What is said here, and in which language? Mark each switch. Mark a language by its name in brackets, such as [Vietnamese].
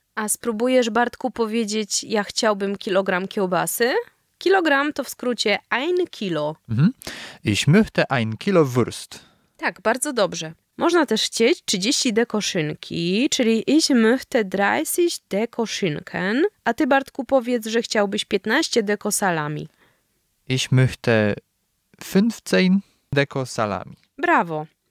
[Polish] A spróbujesz, Bartku, powiedzieć, ja chciałbym kilogram kiełbasy? Kilogram to w skrócie [German] ein Kilo. Mhm. Ich möchte ein Kilo Wurst. [Polish] Tak, bardzo dobrze. Można też chcieć 30 dekoszynki, czyli [German] ich möchte 30 dekoszynken, [Polish] a ty, Bartku, powiedz, że chciałbyś 15 dekosalami. [German] Ich möchte 15 dekosalami. [Polish] Brawo.